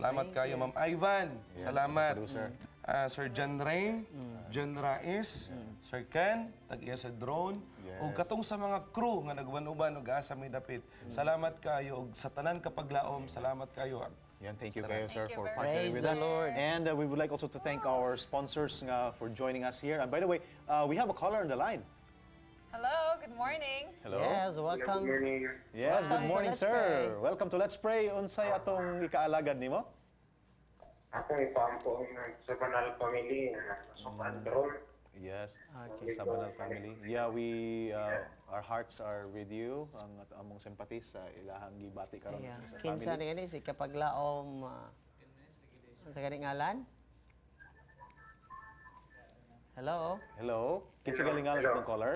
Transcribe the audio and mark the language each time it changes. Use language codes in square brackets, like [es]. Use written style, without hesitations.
[ceb] salamat kayo. [en] You. Ma'am Ivan. Yes, [ceb] salamat. [en] Producer. [ceb] Sir John Ray. John Rais. Sir Ken. Tag-iya sa drone. [en] Yes. [ceb] O katong sa mga crew nga nagwanuban o gaasa may dapit. Salamat kayo. O sa tanan kapaglaom, salamat kayo. [en] And thank you guys, sir, you for partnering with us. And we would like also to thank our sponsors for joining us here. And by the way, we have a caller on the line. Hello, good morning. Hello. Yes, welcome. Good morning. Yes, good morning, sir. Welcome to Let's Pray. [ceb] Unsay atong ikaalagad nimo? Ako ni Pampo, sa banal family, sa Pandron. Yes, sa banal family. [en] Yeah, we our hearts are with you. [ceb] Ang among sympathy sa ilahang gibati karon sa family. Kinsa ni ini si kapaglaom? Sa galing ngalan? [en] Hello. Hello. [ceb] Kinsa galing ngalan sa tong caller?